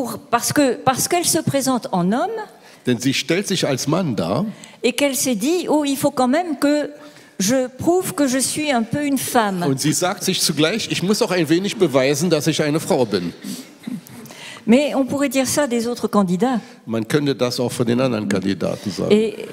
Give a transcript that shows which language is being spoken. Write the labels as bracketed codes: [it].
[fr] Parce qu'elle se présente en homme. [de] Denn sie stellt sich als Mann dar. [fr] Et qu'elle s'est dit, oh, il faut quand même que je prouve que je suis un peu une femme. [de] Und sie sagt sich zugleich, ich muss auch ein wenig beweisen, dass ich eine Frau bin. [fr] Mais on pourrait dire ça des autres candidats. [de] Man könnte das auch von den anderen Kandidaten sagen.